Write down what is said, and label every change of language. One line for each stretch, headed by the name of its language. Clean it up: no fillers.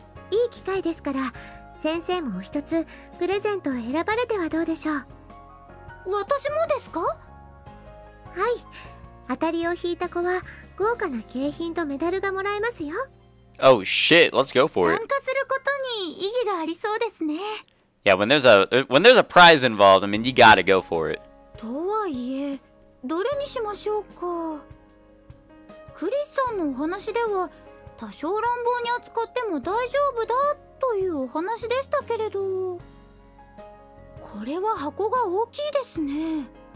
Japanese: いい機会ですから、先生もお一つプレゼントを選ばれてはどうでしょう。私もですか？はい。当たりを引いた子は豪華な景品とメダルがもらえますよ。
English: Oh shit, let's go for it.
Japanese: 参加することに意義がありそうですね。
English: Yeah, when there's a prize involved, I mean, you gotta go for it.
Japanese: とはいえ、どれにしましょうか。クリスさんのお話では、多少乱暴に扱っても大丈夫だというお話でしたけれど、これは箱が大きいですね。